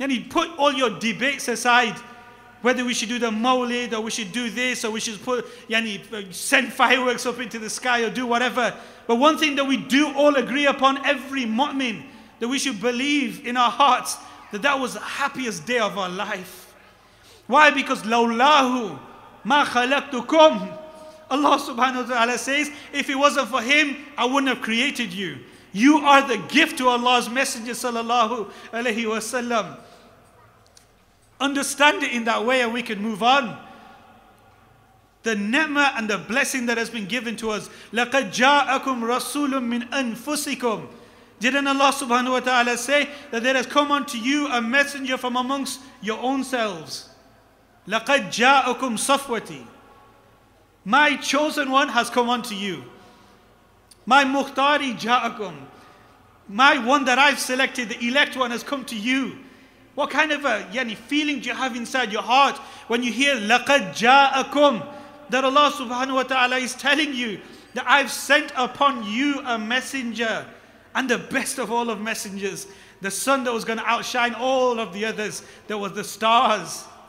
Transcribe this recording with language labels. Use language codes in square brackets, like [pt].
[en] Put all your debates aside, whether we should do the mawlid or we should do this or we should send fireworks up into the sky or do whatever. But one thing that we do all agree upon, every mu'min, that we should believe in our hearts that was the happiest day of our life. Why? Because [ar] لَوْلَاهُ مَا خَلَقْتُكُمْ. [en] Allah subhanahu wa ta'ala says, if it wasn't for him, I wouldn't have created you. You are the gift to Allah's Messenger sallallahu alayhi wa sallam. understand it in that way and we can move on. The ni'mah and the blessing that has been given to us. [ar] لَقَدْ جَاءَكُمْ رَسُولٌ مِّنْ أَنفُسِكُمْ. [en] Didn't Allah subhanahu wa ta'ala say that there has come unto you a messenger from amongst your own selves? [ar] لَقَدْ جَاءَكُمْ صَفْوَتِي. [en] My chosen one has come unto you. My [ar] مُخْتَارِ جَاءَكُمْ. [en] My one that I've selected, the elect one, has come to you. What kind of a feeling do you have inside your heart when you hear [ar] لَقَدْ جَاءَكُمْ, [en] that Allah subhanahu wa ta'ala is telling you that I've sent upon you a messenger, and the best of all of messengers, the sun that was going to outshine all of the others, that was the stars.